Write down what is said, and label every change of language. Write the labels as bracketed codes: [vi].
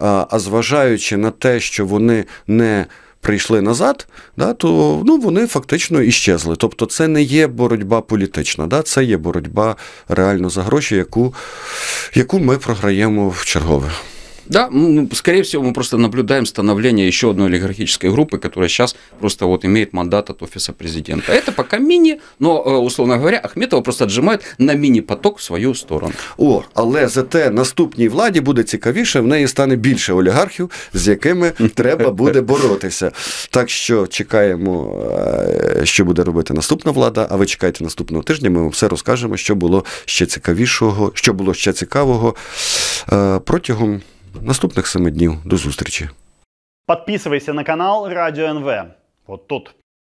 [uk] А зважаючи на те, що вони не прийшли назад, да, то, ну, вони фактично іщезли. Тобто це не є боротьба політична, да, це є боротьба реально за гроші, яку ми програємо в чергове. [ru] Да, скорее всего, мы просто наблюдаем становление еще одной олигархической группы, которая сейчас просто вот имеет мандат от офиса президента. Это пока мини, но, условно говоря, Ахметова просто отжимает на мини-поток в свою сторону. [uk] О, але зате наступній владі буде цікавіше, в неї стане більше олігархів, з якими треба буде боротися. Так що чекаємо, що буде робити наступна влада, а ви чекайте наступного тижня, ми вам все розкажемо, що було ще цікавішого, що було ще цікавого протягом наступних 7 днів. До зустрічі. [ru] Подписывайся на канал Радио НВ. Вот тут.